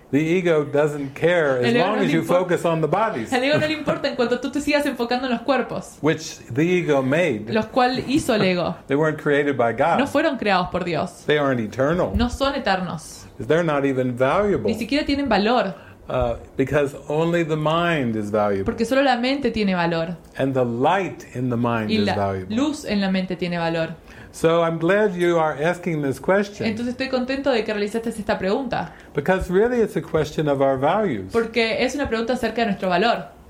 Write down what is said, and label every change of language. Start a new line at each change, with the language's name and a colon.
English: The ego doesn't care as long as you focus on the bodies.
Spanish: El ego no le importa en cuanto tú te sigas enfocando en los cuerpos.
English: Which the ego made.
Spanish: Los cual hizo el ego.
English: They weren't created by God.
Spanish: No fueron creados por Dios.
English: They aren't eternal.
Spanish: No son eternos.
English: They're not even valuable.
Spanish: Ni siquiera tienen valor.
English: Because only the mind is valuable.
Spanish: Porque solo la mente tiene valor.
English: And the light in the mind is valuable. Y
Spanish: la luz en la mente tiene valor.
English: So I'm glad you are asking this question.
Spanish: Entonces estoy contento de que realizaste esta pregunta.
English: Because really it's a question of our values.
Spanish: Porque es una pregunta acerca de nuestro valor.